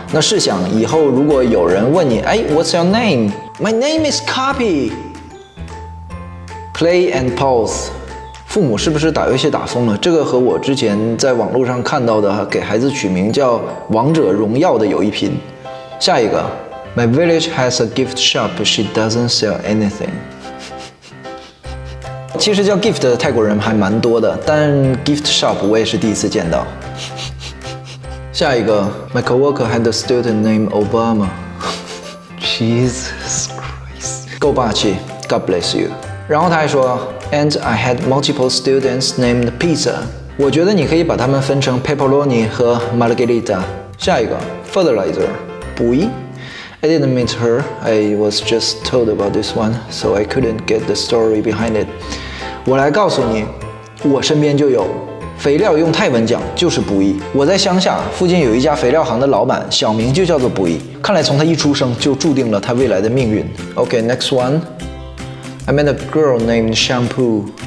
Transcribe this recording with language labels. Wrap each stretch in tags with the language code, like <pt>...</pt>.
<zh>那试想以后如果有人问你，哎，</zh> <en>What's your name? My name is Copy。 Play and pause，</en> <zh>父母是不是打游戏打疯了？这个和我之前在网络上看到的给孩子取名叫王者荣耀的有一拼。下一个，</zh> <en>My village has a gift shop, she doesn't sell anything.</en> <zh>其实叫 gift 的泰国人还蛮多的，但 gift shop 我也是第一次见到。下一个，</zh> <en>My coworker had a student named Obama. Jesus Christ.</en> <zh>够霸气，</zh> <en>God bless you.</en> <zh>然后他还说，</zh> <en>And I had multiple students named Pizza.</en> <zh>我觉得你可以把他们分成 Pepperoni 和 Margherita. 下一个， Fertilizer, 补益。</zh> <en>I didn't meet her, I was just told about this one, so I couldn't get the story behind it.</en> <zh>我来告诉你，我身边就有，肥料用泰文讲就是不易。我在乡下，附近有一家肥料行的老板，小名就叫做不易。看来从他一出生就注定了他未来的命运。</zh> <en>Okay, next one. I met a girl named Shampoo.</en>